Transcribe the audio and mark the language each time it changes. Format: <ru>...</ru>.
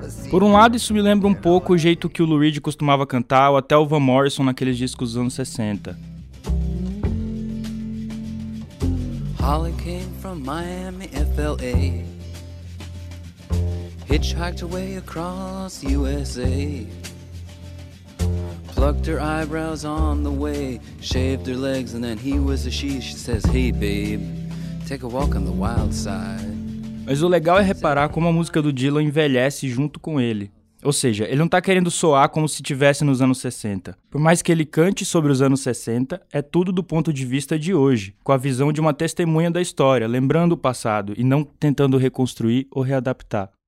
<pt>Por um lado, isso me lembra um pouco o jeito que o Lou Reed costumava cantar, ou até o Van Morrison naqueles discos dos anos 60.</pt> <en>Holly came from Miami, FLA. Hitchhiked away across USA. Plucked her eyebrows on the way. Shaved her legs and then he was a she. She says, hey babe, take a walk on the wild side.</en> <pt>Mas o legal é reparar como a música do Dylan envelhece junto com ele. Ou seja, ele não tá querendo soar como se estivesse nos anos 60. Por mais que ele cante sobre os anos 60, é tudo do ponto de vista de hoje, com a visão de uma testemunha da história, lembrando o passado e não tentando reconstruir ou readaptar.</pt>